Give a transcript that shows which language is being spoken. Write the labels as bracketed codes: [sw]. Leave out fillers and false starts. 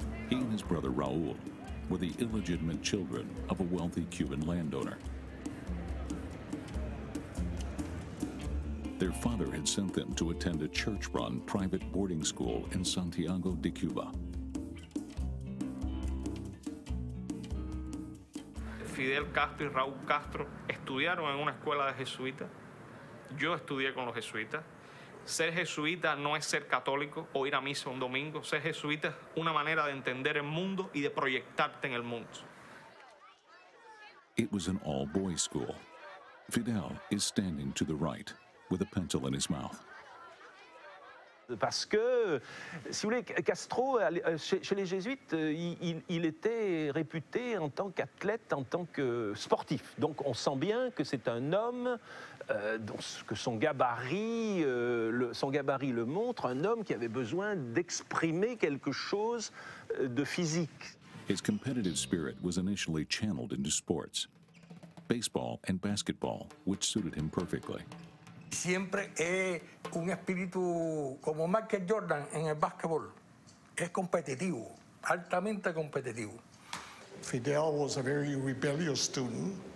[en] He and his brother Raul were the illegitimate children of a wealthy Cuban landowner. Their father had sent them to attend a church-run private boarding school in Santiago de Cuba. [es] Fidel Castro y Raúl Castro estudiaron en una escuela de jesuitas. Yo estudié con los jesuitas. Ser jesuita no es ser católico o ir a misa un domingo. Ser jesuita es una manera de entender el mundo y de proyectarte en el mundo. [en] It was an all-boys school. Fidel is standing to the right, with a pencil in his mouth. [fr] Parce que, si vous voulez, Castro, chez les jésuites, il était réputé en tant qu'athlète, en tant que sportif. Donc on sent bien que c'est un homme, que son gabarit le montre, un homme qui avait besoin d'exprimer quelque chose de physique. [en] His competitive spirit was initially channeled into sports, baseball and basketball, which suited him perfectly. [es] Siempre es un espíritu como Michael Jordan en el básquetbol. Es competitivo, altamente competitivo. [en] Fidel was a very rebellious student.